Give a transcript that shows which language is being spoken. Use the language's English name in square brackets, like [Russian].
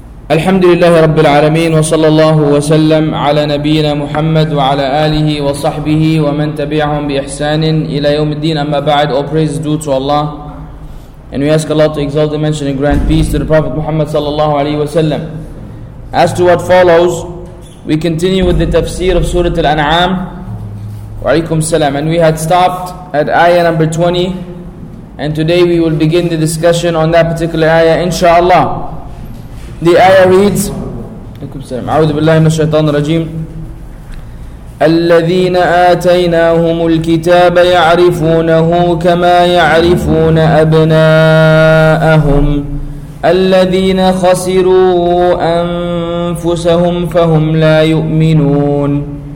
[Arabic] الحمد لله رب العالمين وصلى الله وسلم على نبينا محمد وعلى آله وصحبه ومن تبعهم بإحسان إلى يوم الدين أما بعد [English] all praise due to Allah and we ask Allah to exalt and mention and grant peace to the Prophet Muhammad [Arabic] صلى الله عليه وسلم. [English] As to what follows, we continue with the tafsir of Surah Al-An'am. [Arabic] وعليكم السلام. [English] And we had stopped at ayah number 20 and today we will begin the discussion on that particular ayah inshallah. The ayah reads, [Arabic] أعوذ بالله من الشيطان الرجيم الذين آتيناهم الكتاب يعرفونه كما يعرفون أبناءهم الذين خسروا أنفسهم فهم لا يؤمنون.